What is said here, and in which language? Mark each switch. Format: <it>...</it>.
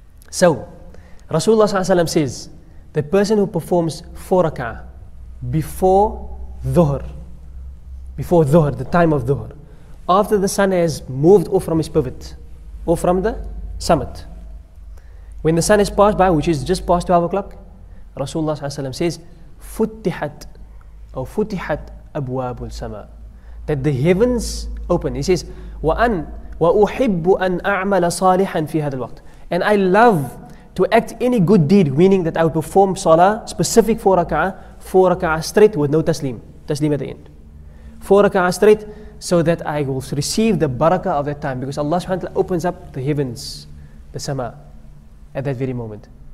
<en>So, Rasulullah sallallahu alayhi wa sallam says, the person who performs four raka'ah before Dhuhr, the time of Dhuhr, after the sun has moved off from his pivot, or from the summit, when the sun has passed by, which is just past 12 o'clock, Rasulullah sallallahu alayhi wa sallam says, futtihat,</en> <ar>أو فتحت أبواب السماء.</ar> <en>That the heavens open. He says,</en> <ar>وأن وأحب أن أعمل صالحا في هذا الوقت.</ar> <en>And I love to act any good deed, meaning that I would perform salah specific four raka'ah straight with no taslim. Taslim at the end. Four raka'ah straight so that I will receive the barakah of that time. Because Allah subhanahu wa ta'ala opens up the heavens, the sama, at that very moment.</en>